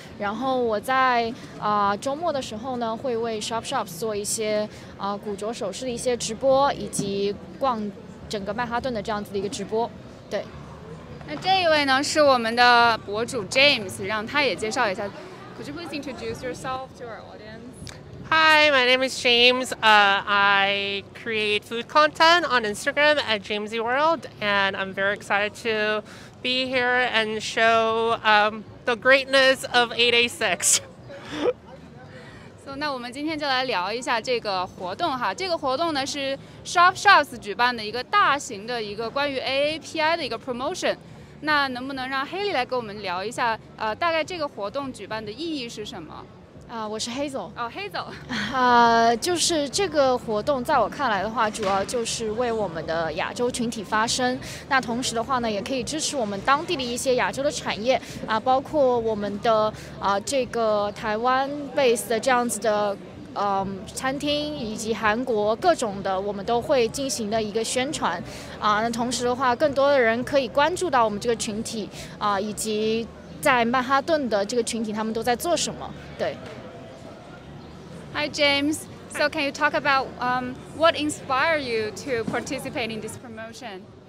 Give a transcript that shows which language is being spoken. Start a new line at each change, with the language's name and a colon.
Chinese: 然后我在周末的时候呢，会为 Shop Shops 做一些古着首饰的一些直播，以及逛整个曼哈顿的这样子的一个直播，对。那这一位呢是我们的博主 James， 让他也介绍一下。
English: Could you please introduce yourself to our audience? Hi, my name is James. I create food content on Instagram at Jamesy World, and I'm very excited to be here and show the greatness of 886.
Chinese: 那我们今天就来聊一下这个活动哈。这个活动呢是 Shop Shops 举办的一个大型的一个关于 AAPI 的一个 promotion。那能不能让 Haley 来跟我们聊一下，大概这个活动举办的意义是什么？我是 Hazel。哦 ，Hazel。就是这个活动，在我看来的话，主要就是为我们的亚洲群体发声。那同时的话呢，也可以支持我们当地的一些亚洲的产业啊，包括我们的这个台湾 base 的这样子的餐厅，以及韩国各种的，我们都会进行的一个宣传啊。那同时的话，更多的人可以关注到我们这个群体啊，以及在曼哈顿的这个群体，他们都在做什么？对。
English: Hi James, so can you talk about what inspired you to participate in this promotion?